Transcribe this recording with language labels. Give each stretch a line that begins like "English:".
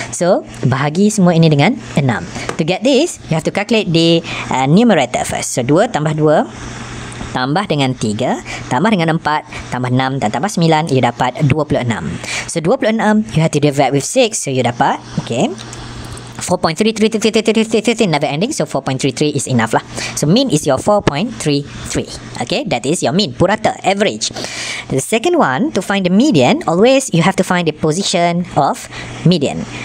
Malay: So bahagi semua ini dengan 6.
English: To get this, you have to calculate the numerator first.
Malay: So 2 tambah 2 tambah dengan 3, tambah dengan 4, tambah 6 dan tambah 9, you dapat 26.
English: So 26, you have to divide with 6, so you dapat, okay, 4.33333333, never ending. So 4.33 is enough lah. So mean is your 4.33. Okay, that is your mean, purata, average. The second one, to find the median, always you have to find the position of median.